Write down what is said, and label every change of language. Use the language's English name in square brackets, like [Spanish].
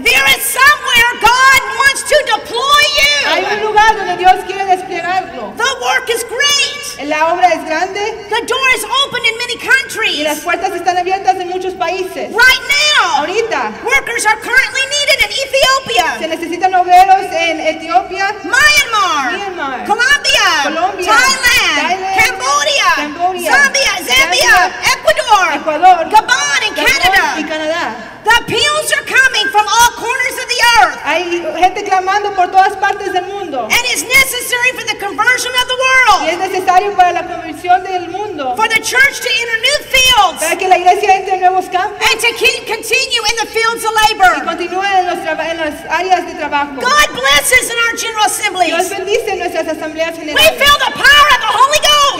[English] There is somewhere God wants to deploy you. [Spanish] Hay un lugar donde Dios quiere desplegarlo. [English] The work is great. [Spanish] La obra es grande. [English] The door is open in many countries. [Spanish] Y las puertas están abiertas en muchos países. [English] Right now, [Spanish] ahorita, [English] workers are currently needed in Ethiopia. [Spanish] Se necesitan obreros en Etiopía, Myanmar, Colombia, Thailand, Cambodia, Zambia, Ecuador, [English] Gabon, and Canada. [Spanish] Y Canadá. [English] The appeals are coming from all corners of the earth. [Spanish] Hay gente clamando por todas partes del mundo. [English] And it's necessary for the conversion of the world. [Spanish] Y es necesario para la conversión del mundo. [English] For the church to enter new fields. [Spanish] Para que la iglesia entre en nuevos campos. [English] And to keep continue in the fields of labor. [Spanish] Y continúe en las áreas de trabajo. [English] God blesses in our general assemblies. [Spanish] Dios bendice en nuestras asambleas generales. [English] We feel the power of the Holy Ghost.